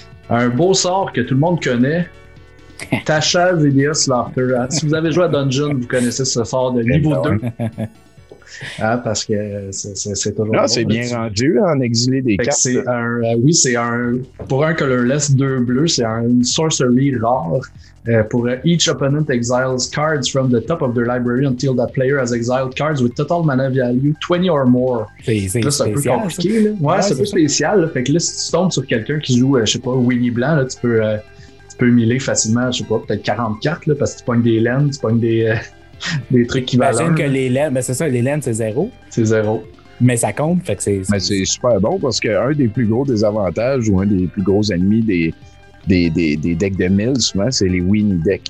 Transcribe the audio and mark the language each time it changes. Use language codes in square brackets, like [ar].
[fr] Un beau sort que tout le monde connaît. Tasha Vidius Laughter. Si vous avez joué à Dungeon, vous connaissez ce sort de niveau 2. Ah, parce que c'est toujours. Non, bon, c'est là, bien tu... rendu en exilé des cartes. C'est un, oui, c'est un. Pour un colorless 2 bleu, c'est une sorcery rare. Pour [en] each opponent exiles cards from the top of their library until that player has exiled cards with total mana value 20 or more. [fr] C'est un peu spécial. Là. Fait que là, si tu tombes sur quelqu'un qui joue, je sais pas, Winnie Blanc, là, tu peux miller facilement, je sais pas, peut-être 40 cartes, là, parce que tu pognes des lands, tu pognes des trucs qui valent. J'imagine que les lands, mais c'est ça, les lands, c'est zéro. C'est zéro. Mais ça compte, fait que c'est... Mais c'est super bon, parce qu'un des plus gros désavantages ou un des plus gros ennemis des decks de mill, souvent, c'est les Winnie decks.